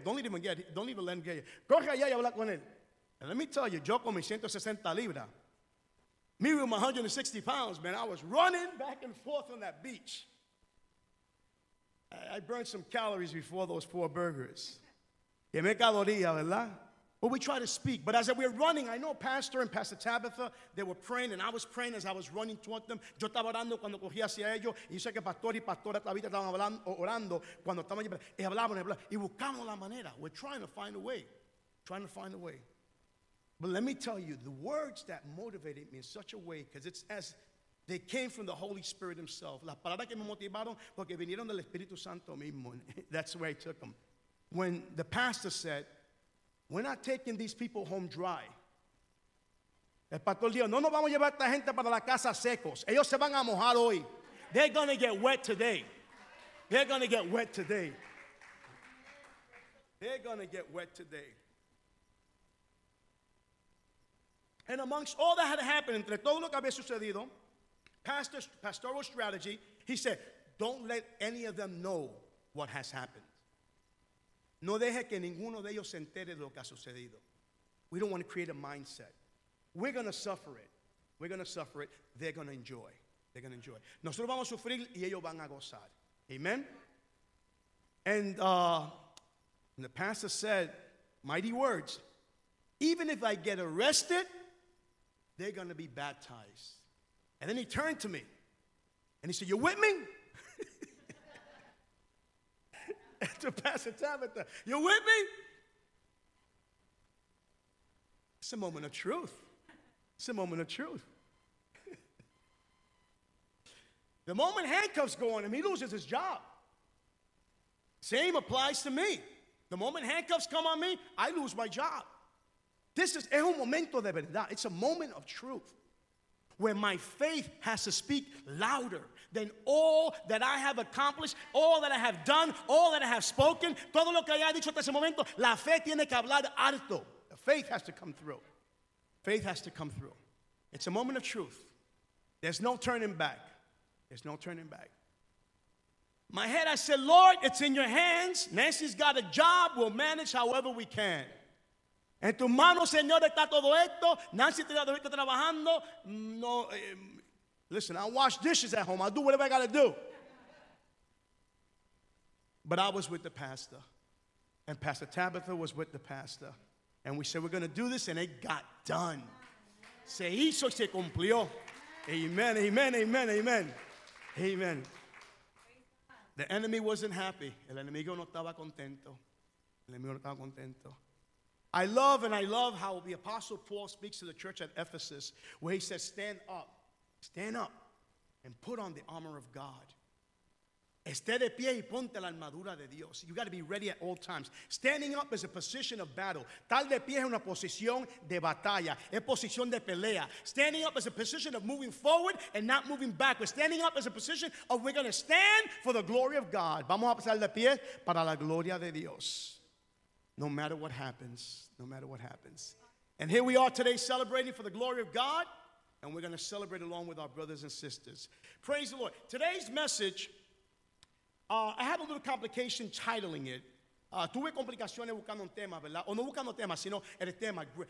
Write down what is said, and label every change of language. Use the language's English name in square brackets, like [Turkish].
[English] Don't even let him get you. [Spanish] Corre allá y habla con él. [English] And let me tell you, [Spanish] yo con mis 160 libras, [English] me with my 160 pounds, man, I was running back and forth on that beach. I burned some calories before those four burgers. [Spanish] Que me caloría, ¿verdad? [English] But we try to speak. But as we were running, I know Pastor and Pastor Tabitha, they were praying, and I was praying as I was running toward them. [Spanish] Yo estaba orando cuando cogí hacia ellos. Y sé que Pastor y Pastora Tabitha estaban hablando, orando cuando estaban allí. Y hablaban, y buscamos la manera. [English] We're trying to find a way. Trying to find a way. But let me tell you, the words that motivated me in such a way, because it's as They came from the Holy Spirit himself. [Spanish] Las palabras que me motivaron porque vinieron del Espíritu Santo mismo. [English] That's where I took them. When the pastor said, we're not taking these people home dry. [Spanish] El pastor dijo, no nos vamos a llevar a esta gente para la casa secos. Ellos se van a mojar hoy. [English] They're going to get wet today. They're going to get wet today. They're going to get wet today. And amongst all that had happened, [Spanish] entre todo lo que había sucedido, [English] pastoral strategy, he said, don't let any of them know what has happened. [Spanish] No deje que ninguno de ellos se entere de lo que ha sucedido. [English] We don't want to create a mindset. We're going to suffer it. We're going to suffer it. They're going to enjoy. They're going to enjoy. [Spanish] Nosotros vamos a sufrir y ellos van a gozar. Amen? [English] And the pastor said, mighty words, even if I get arrested, they're going to be baptized. And then he turned to me and he said, you with me? To Pastor Tabitha, you with me? It's a moment of truth. It's a moment of truth. The moment handcuffs go on him, he loses his job. Same applies to me. The moment handcuffs come on me, I lose my job. This is [Spanish] un momento de verdad. [English] It's a moment of truth where my faith has to speak louder than all that I have accomplished, all that I have done, all that I have spoken. [Spanish] Todo lo que haya dicho hasta ese momento, la fe tiene que hablar alto. [English] The faith has to come through. Faith has to come through. It's a moment of truth. There's no turning back. There's no turning back. My head, I said, Lord, it's in your hands. Nancy's got a job. We'll manage however we can. [Spanish] En tu mano, Señor, está todo esto. Nancy está trabajando. [English] No, listen, I wash dishes at home. I'll do whatever I got to do. But I was with the pastor. And Pastor Tabitha was with the pastor. And we said, we're going to do this, and it got done. [Spanish] Se hizo y se cumplió. Amen, amen, amen, amen. Amen. [English] The enemy wasn't happy. [Spanish] El enemigo no estaba contento. [English] El enemigo no estaba contento. I love how the Apostle Paul speaks to the church at Ephesus, where he says, stand up, and put on the armor of God. [Spanish] Esté de pie y ponte la armadura de Dios. [English] You got to be ready at all times. Standing up is a position of battle. [Spanish] Tal de pie es una posición de batalla. Es posición de pelea. [English] Standing up is a position of moving forward and not moving backwards. Standing up is a position of we're going to stand for the glory of God. [Spanish] Vamos a pasar de pie para la gloria de Dios. [English] No matter what happens, no matter what happens. And here we are today celebrating for the glory of God, and we're going to celebrate along with our brothers and sisters. Praise the Lord. Today's message, I have a little complication titling it. [Spanish] Tuve complicaciones buscando un tema, ¿verdad? O no buscando tema, sino el tema.